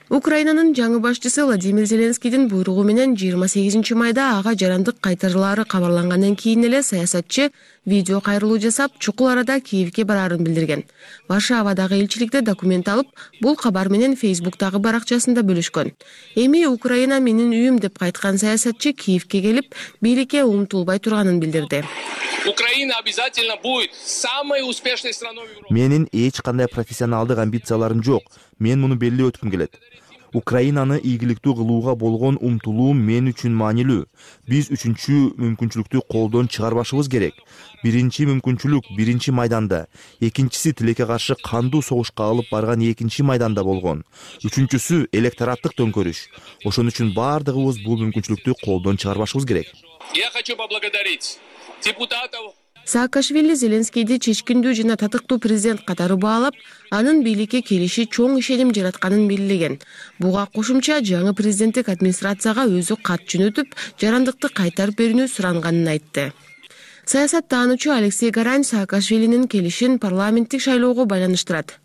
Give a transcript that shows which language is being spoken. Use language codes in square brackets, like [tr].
[ky] Украинанын жаңы башчысы Владимир Зеленскийдин буйругу менен 28 майда ага жарандык кайтарылары кабарлангандан кийин эле саясатчы видео кайрылуу жасап, чукул арада Киевке барарын билдирген. Варшавадагы элчиликте документ алып, бул кабар менен Facebook-тагы баракчасында бөлүшкөн. Эми Украина менин үйүм деп кайткан саясатчы Киевке келип, бийликке умтулбай турганын билдирди. [ru] Украина обязательно будет самой успешной страной в Европе. [ky] Менин эч кандай профессионалдык амбицияларым жок. Мен муну белли өткүм келет. Украинаны ийгиликтүү кылууга болгон умтулуум мен үчүн маанилүү. Биз үчүнчү мүмкүнчүлүктү колдон чыгарбашыбыз керек. Биринчи мүмкүнчүлүк биринчи майданда, экинчиси тилекке каршы кандуу согушка алып барган экинчи майданда болгон. Үчүнчүсү электораттык төңкөрүш. Ошон үчүн баардыгыбыз бул мүмкүнчүлүктү колдон чыгарбашыбыз керек. [ru] Я хочу поблагодарить депутатов. [ky] Саакашвили Зеленскийди чечкиндүү жана татыктуу президент катары баалап, анын бийликке келиши чоң ишеним жаратканын белгилеген. Буга кошумча жаңы президенттик администрацияга өзү кат жөнөтүп, жарандыкты кайтарып берүүнү суранганын айтты. Саясат таануучу Алексей Гарань Саакашвилинин келишин парламенттик шайлоого байланыштырат.